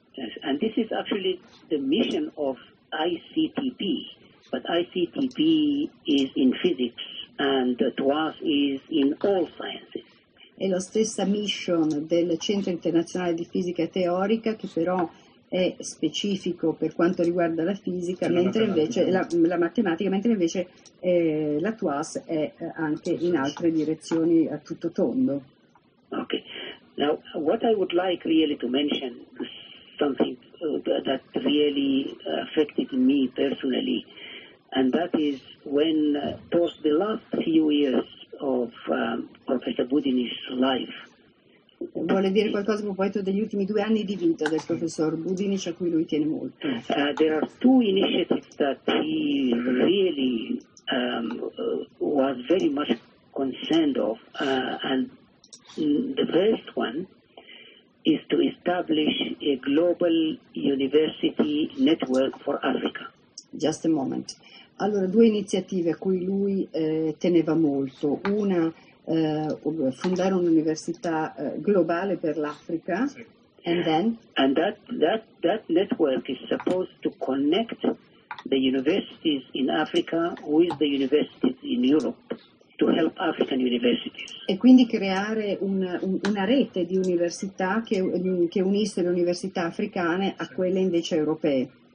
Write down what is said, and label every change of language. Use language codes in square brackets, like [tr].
[en] Yes, and this is actually the mission of ICTP, but ICTP is in physics and TWAS is in all sciences. [it] È la stessa mission del Centro Internazionale di Fisica Teorica, che però è specifico per quanto riguarda la fisica, mentre invece la TWAS è anche in altre direzioni a tutto tondo. Ok. [en] Now, what I would like really to mention, something that really affected me personally, and that is when towards the last few years of Professor Budinich's life. Vuole dire qualcosa a proposito degli ultimi due anni di vita del professor Budinich, a cui lui tiene molto. There are two initiatives that he really was very much concerned of, and the first one is to establish a global university network for Africa. Just a moment. [it] Allora, due iniziative a cui lui teneva molto. Una, fondare un'università globale per l'Africa. Sì. [en] And then? And that network is supposed to connect the universities in Africa with the universities in Europe to help African universities. [it] E quindi creare una rete di università che unisse le università africane a quelle invece europee.